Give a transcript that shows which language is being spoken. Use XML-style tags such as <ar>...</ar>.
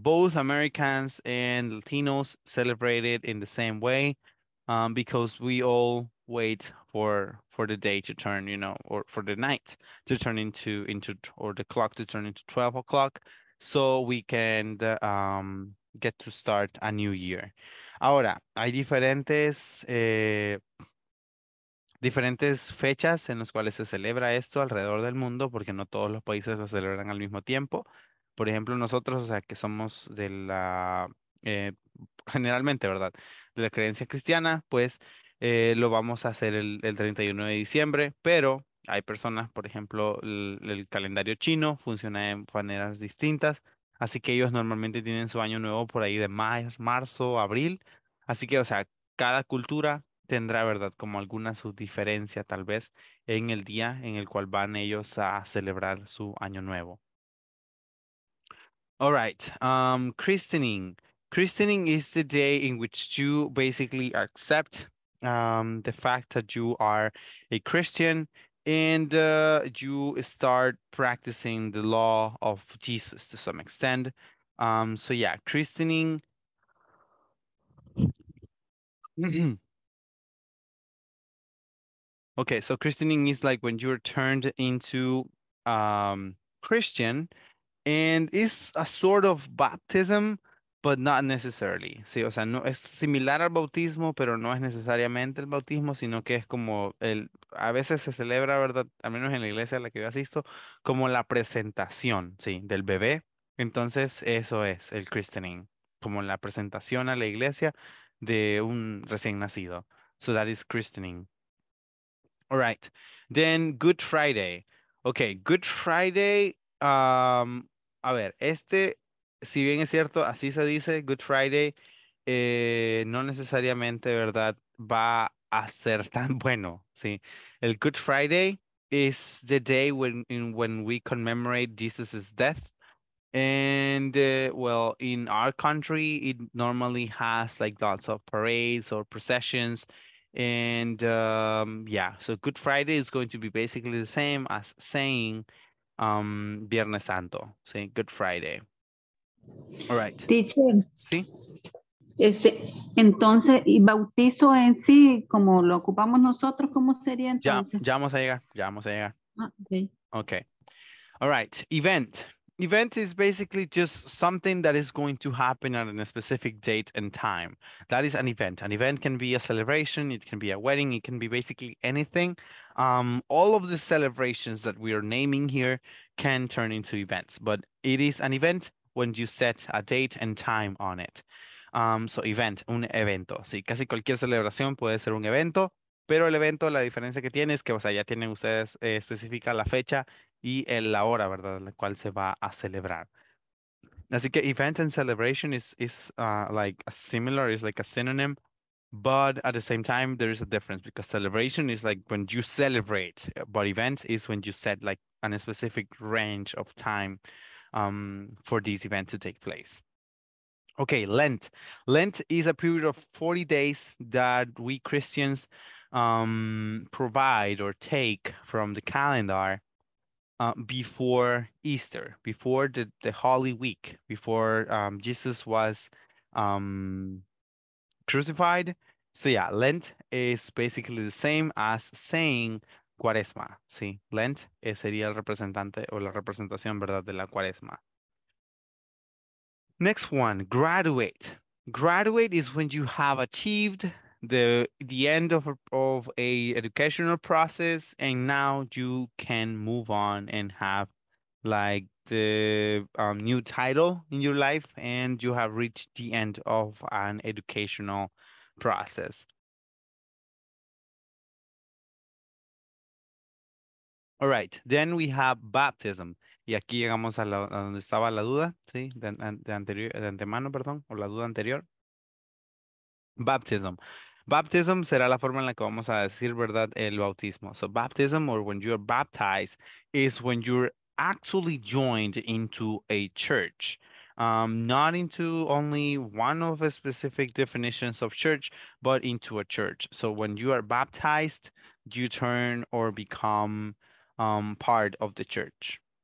<en>Both Americans and Latinos celebrate it in the same way because we all wait for the day to turn, you know, or for the night to turn into or the clock to turn into 12 o'clock so we can get to start a new year.</en> <es>Ahora, hay diferentes fechas en las cuales se celebra esto alrededor del mundo porque no todos los países lo celebran al mismo tiempo. Por ejemplo, nosotros, o sea, que somos de la, generalmente, ¿verdad? De la creencia cristiana, pues lo vamos a hacer el 31 de diciembre, pero hay personas, por ejemplo, el calendario chino funciona de maneras distintas, así que ellos normalmente tienen su año nuevo por ahí de marzo, abril, así que, o sea, cada cultura tendrá, ¿verdad?, como alguna su diferencia, tal vez, en el día en el cual van ellos a celebrar su año nuevo.</es> <en>All right, christening. Christening is the day in which you basically accept the fact that you are a Christian and you start practicing the law of Jesus to some extent. So yeah, christening. Okay, so christening is like when you're turned into Christian. And it's a sort of baptism, but not necessarily.</en> <es>Sí, o sea, no, es similar al bautismo, pero no es necesariamente el bautismo, sino que es como el, a veces se celebra, ¿verdad? Al menos en la iglesia a la que yo asisto, como la presentación, sí, del bebé. Entonces, eso es el christening, como la presentación a la iglesia de un recién nacido.</es> <en>So that is christening. All right. Then Good Friday. Okay, Good Friday.</en> <es>A ver, este, si bien es cierto, así se dice, Good Friday, no necesariamente, ¿verdad?, va a ser tan bueno, ¿sí?</es> <en>El Good Friday is the day when we commemorate Jesus' death, and, well, in our country, it normally has, like, lots of parades or processions, And yeah, so Good Friday is going to be basically the same as saying Viernes Santo, saying Good Friday. All right. Teacher.</en> <es>Sí. Entonces, y bautizo en sí, como lo ocupamos nosotros, ¿cómo sería entonces? Ya vamos a llegar, ya vamos a llegar.</es> <en>Ah, okay. Okay. All right. Event. Event is basically just something that is going to happen at a specific date and time. That is an event. An event can be a celebration, it can be a wedding, it can be basically anything. All of the celebrations that we are naming here can turn into events, but it is an event when you set a date and time on it. So event,</en> <es>un evento. Sí, casi cualquier celebración puede ser un evento, pero el evento, la diferencia que tiene es que, o sea, ya tienen ustedes específica la fecha y la hora, ¿verdad?, la cual se va a celebrar. Así que</es> <en>event and celebration is like a synonym, but at the same time, there is a difference because celebration is like when you celebrate, but event is when you set like a specific range of time for this event to take place. Okay, Lent. Lent is a period of 40 days that we Christians provide or take from the calendar before Easter, before the Holy Week, before Jesus was crucified. So yeah, Lent is basically the same as saying Cuaresma.</en> <es>Sí, Lent sería el representante o la representación, ¿verdad?, de la Cuaresma.</es> <en>Next one, graduate. Graduate is when you have achieved the end of a educational process and now you can move on and have like the new title in your life and you have reached the end of an educational process. All right, then we have baptism.</en> <es>Y aquí llegamos a donde estaba la duda, ¿sí? La duda anterior. Baptism. Baptism será la forma en la que vamos a decir, ¿verdad?, el bautismo.</es> <en>So baptism, or when you're baptized, is when you're actually joined into a church. Not into only one of the specific definitions of church, but into a church. So when you are baptized, you turn or become part of the church.</en>